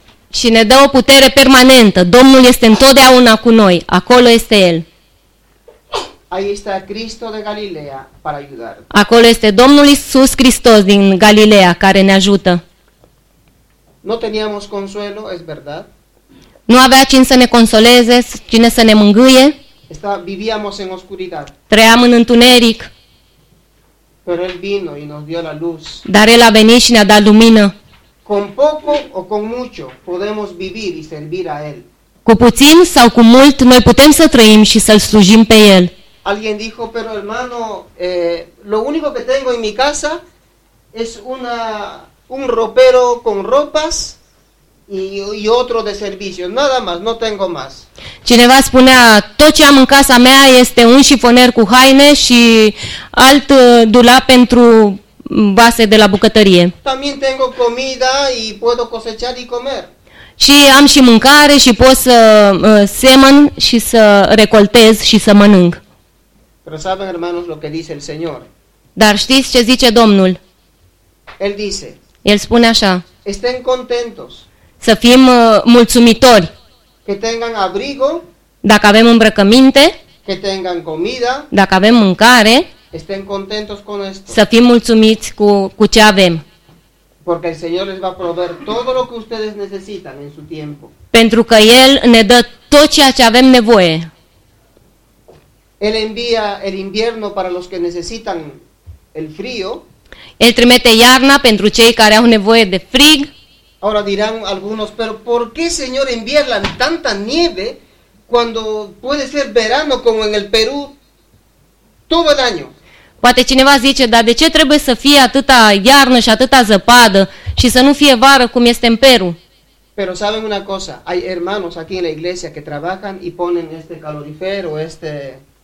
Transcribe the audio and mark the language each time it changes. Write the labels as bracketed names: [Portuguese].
[Romanian] Și ne dă o putere permanentă. Domnul este întotdeauna cu noi. Acolo este El. [Spanish] Ahí está Cristo de Galilea para ayudar. [Romanian] Acolo este Domnul Iisus Hristos din Galileea care ne ajută. [Spanish] No teníamos consuelo, es verdad. [Romanian] Nu avea cine să ne consoleze, cine să ne mângâie. [Spanish] Vivíamos en oscuridad. [Romanian] Trăiam în întuneric. [Spanish] Pero él vino y nos dio la luz. [Romanian] Dar El a venit și ne-a dat lumină. [Spanish] Con poco o con mucho podemos vivir y servir a él. [Romanian] Cu puțin sau cu mult noi putem să trăim și să-L slujim pe El. [Spanish] Alguien dijo, pero hermano, lo único que tengo en mi casa es un ropero con ropas y otro de servicio, nada más, no tengo más. [Romanian] Cineva spunea, tot ce am în casa mea este un șifoner cu haine și alt dulap pentru vase de la bucătărie. [Spanish] También tengo comida y puedo cosechar y comer. [Romanian] Și am și mâncare și pot să semăn și să recoltez și să mănânc. [Spanish] Pero saben, hermanos, lo que dice el Señor. [Romanian] Dar știți ce zice Domnul? [Spanish] Él dice. [Romanian] El spune așa. [Spanish] Estén contentos. [Romanian] Să fim mulțumitori. [Spanish] Que tengan abrigo. [Romanian] Dacă avem îmbrăcăminte. [Spanish] Que tengan comida. [Romanian] Dacă avem mâncare. [Spanish] Estén contentos con esto. [Romanian] Să fim mulțumiți cu ce avem. [Spanish] Porque el Señor les va a proveer todo lo que ustedes necesitan en su tiempo. [Romanian] Pentru că El ne dă tot ceea ce avem nevoie. [Spanish] Él envía el invierno para los que necesitan el frío. [Romanian] El trimite iarna pentru cei care au nevoie de frig. [Spanish] Ahora dirán algunos, pero ¿por qué, Señor, enviarla tanta nieve cuando puede ser verano como en el Perú todo el año? [Romanian] Poate cineva zice, dar de ce trebuie să fie atâta iarnă și atâta zăpadă și să nu fie vară cum este în Peru? [Spanish] Pero saben una cosa, hay hermanos aquí en la iglesia que trabajan y ponen este calorifer o este...